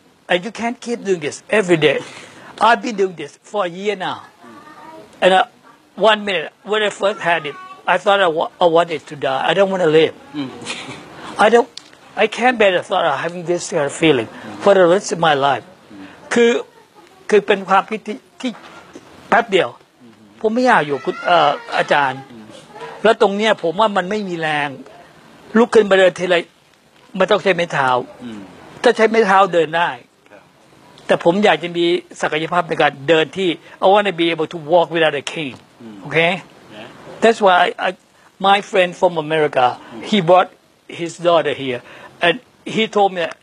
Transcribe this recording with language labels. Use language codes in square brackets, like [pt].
[en] And you can't keep doing this every day. I've been doing this for a year now. And One minute, when I first had it, I thought I wanted to die. I don't want to live. I can't bear the thought of having this kind of feeling for the rest of my life. [th] คือเป็นความคิดที่แป๊บเดียวผมไม่อยากอยู่คุณอาจารย์แล้วตรงเนี้ยผมว่ามันไม่มีแรงลุกขึ้นมาเดินทีไรไม่ต้องใช้ไม้เท้าถ้าใช้ไม้เท้าเดินได้แต่ผมอยากจะมีศักยภาพในการเดินที่ [en] I want to be able to walk without a cane okay yeah. That's why my friend from America he brought his daughter here and he told me